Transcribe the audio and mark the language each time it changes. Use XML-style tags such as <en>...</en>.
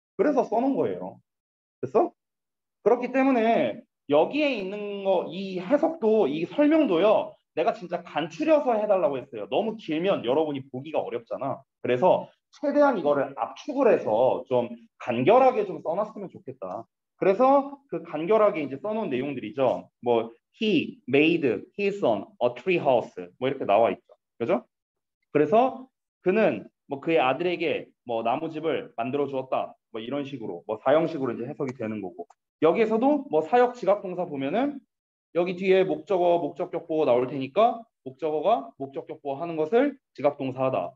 <ko>그래서 써놓은 거예요. 됐어? 그렇기 때문에 여기에 있는 거, 이 해석도, 이 설명도요. 내가 진짜 간추려서 해달라고 했어요. 너무 길면 여러분이 보기가 어렵잖아. 그래서 최대한 이거를 압축을 해서 좀 간결하게 좀 써놨으면 좋겠다. 그래서 그 간결하게 이제 써놓은 내용들이죠. 뭐</ko> <en>he made his son a treehouse</en> <ko>뭐 이렇게 나와 있죠. 그죠? 그래서 그는 뭐 그의 아들에게 뭐 나무집을 만들어 주었다. 뭐 이런 식으로 뭐 사형식으로 이제 해석이 되는 거고. 여기에서도 뭐 사역 지각동사 보면은 여기 뒤에 목적어 목적격보 나올 테니까 목적어가 목적격보 하는 것을 지각동사하다.</ko>